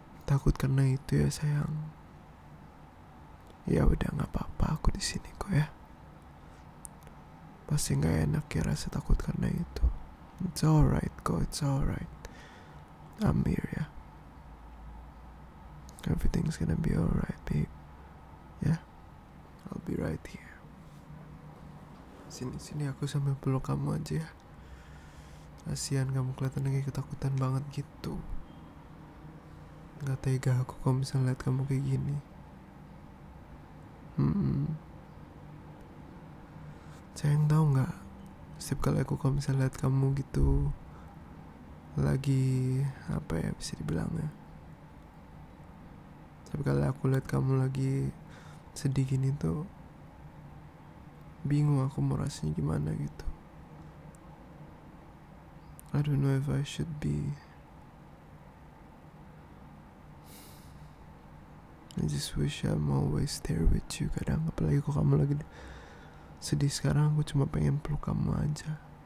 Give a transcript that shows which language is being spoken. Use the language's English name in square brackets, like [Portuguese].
[Indonesian] Takut karena itu ya sayang. Ya udah nggak apa-apa, aku di sini kok ya. Pasti nggak enak ya rasa takut karena itu. [English] It's alright kok, it's alright. I'm here ya. Everything's gonna be alright, babe. Yeah, I'll be right here. [Indonesian] Sini-sini aku sambil peluk kamu aja ya. Kasihan kamu kelihatan lagi ketakutan banget gitu. Gak tega aku kalau misalnya lihat kamu kayak gini. Sayang tau gak? Setiap kali aku kalau misalnya lihat kamu gitu. Lagi apa ya bisa dibilangnya. Setiap kali aku lihat kamu lagi sedih gini tuh. Bingung aku mau rasanya gimana gitu. [English] I don't know if I should be. I just wish I'm always there with you. [Indonesian] Kadang apalagi kok kamu lagi sedih sekarang, aku cuma pengen peluk kamu aja.